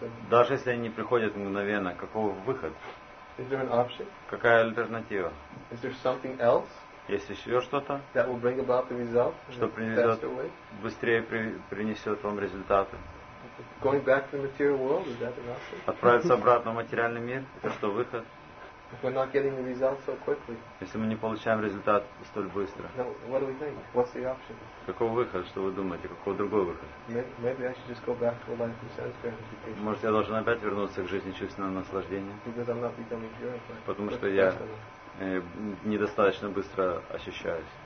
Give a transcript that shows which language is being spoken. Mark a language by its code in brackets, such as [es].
[ru] Даже если они не приходят мгновенно, какой выход? [en] Is there an option? [ru] Какая альтернатива? [en] Is there something else? [ru] Есть еще что-то, [en] that will bring about the result, [ru] что принесет, быстрее принесет вам результаты? [en] Going back to the material world, is that an option? [ru] Отправиться обратно в материальный мир, это что, выход? [en] If we're not getting the result so quickly. [ru] Если мы не получаем результат столь быстро. [en] No, what do we think? What's the option? [ru] Какой выход, что вы думаете? Какой другой выход? [en] Maybe I should just go back to a life of sense gratification. [ru] Может, я должен опять вернуться к жизни чувственного наслаждения? [en] Because I'm not becoming purified. [ru] Потому что я недостаточно быстро ощущаюсь.